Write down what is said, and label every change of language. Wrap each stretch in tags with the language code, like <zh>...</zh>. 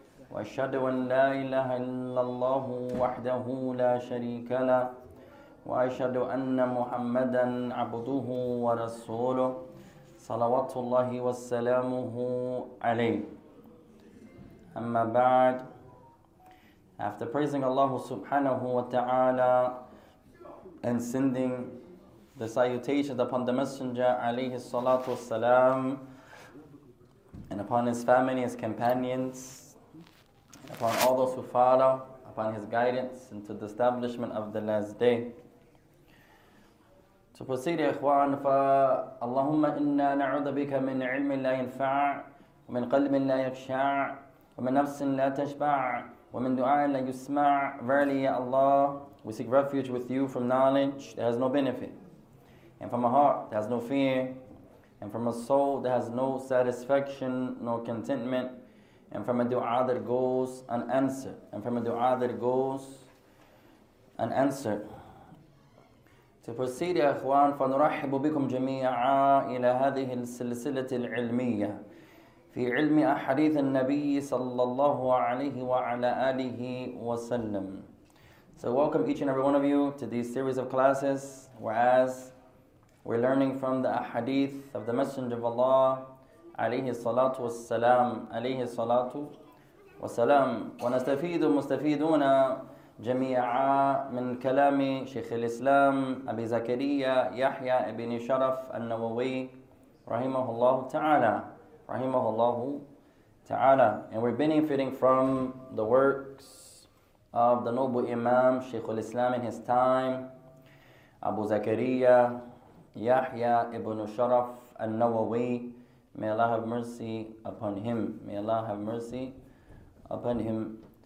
<ar>وأشهد أن لا إله إلا الله وحده لا شريك له وأشهد أن محمدا عبده ورسوله صلوات الله وسلامه عليه أما بعد.</ar> <en>After praising Allah subhanahu wa ta'ala and sending the salutations upon the Messenger alayhi salatu wasalam and upon his family, his companions, upon all those who follow, upon his guidance into the establishment of the last day. To proceed,</en> <ar>ikhwan, fa Allahumma inna na'udha bika min ilmin la yinfa' wa min qalbin la yakshaa wa min nafsin la tashba' وَمِنْ دُعَاءٍ لَا يُسْمَعُ.</ar> <en>Verily, Ya Allah, we seek refuge with you from knowledge that has no benefit, and from a heart that has no fear, and from a soul that has no satisfaction nor contentment, and from a dua that goes unanswered, and from a dua that goes unanswered. To proceed,</en> <ar>Ya Akhwan, فَنُرَحِبُ بِكُمْ جَمِيعًا إِلَى هَذِهِ السِّلْسِلَةِ الْعِلْمِيَّةِ في علم أحاديث النبي صلى الله عليه وعلى آله وسلم.</ar> <en>So welcome each and every one of you to these series of classes, whereas we're learning from the Ahadith of the Messenger of Allah</en> <ar>عليه الصلاة والسلام عليه الصلاة والسلام. ونستفيد مستفيدون جميعا من كلام شيخ الإسلام أبي زكريا يحيى ابن شرف النووي رحمه الله تعالى Rahimahullah Ta'ala.</ar> <en>And we're benefiting from the works of the noble Imam Shaykh al-Islam in his time, Abu Zakariya Yahya ibn Sharaf al-Nawawi. May Allah have mercy upon him. May Allah have mercy upon him.</en>